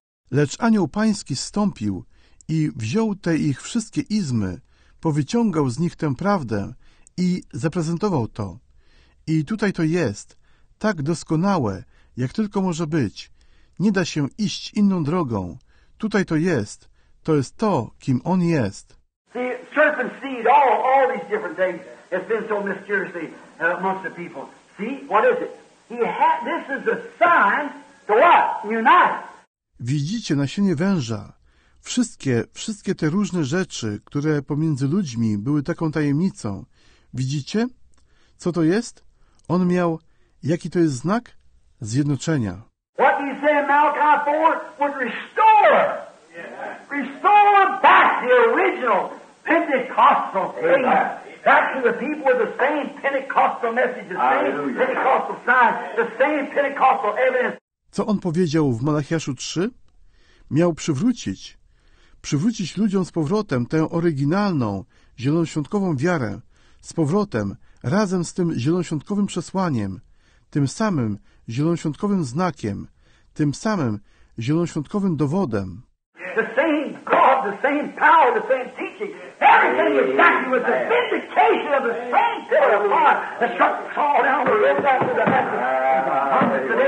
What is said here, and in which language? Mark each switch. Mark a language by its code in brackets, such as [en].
[pl] Lecz anioł pański zstąpił i wziął te ich wszystkie izmy, powyciągał z nich tę prawdę i zaprezentował to. I tutaj to jest, tak doskonałe, jak tylko może być. Nie da się iść inną drogą. Tutaj to jest to, kim on jest. [en] See, serpent seed, all these different things has been so mysteriously amongst the people. See, what is it? This is a sign. To what? Unite. [pl] Widzicie nasienie węża. Wszystkie te różne rzeczy, które pomiędzy ludźmi były taką tajemnicą. Widzicie? Co to jest? On miał... Jaki to jest znak? Zjednoczenia. [en] What he said in Malachi 4 would restore. Yeah. Restore back the original Pentecostal thing. Back to the people with the same Pentecostal message, the same Pentecostal sign, the same Pentecostal evidence. [pl] Co on powiedział w Malachiaszu 3? Miał przywrócić. Przywrócić ludziom z powrotem tę oryginalną, zielonoświątkową wiarę. Z powrotem, razem z tym zielonoświątkowym przesłaniem. Tym samym zielonoświątkowym znakiem. Tym samym zielonoświątkowym dowodem. [en] The same God, the same power, the same teaching. Everything exactly was the vindication of the same pillar of fire. The shot saw down the road back to the message.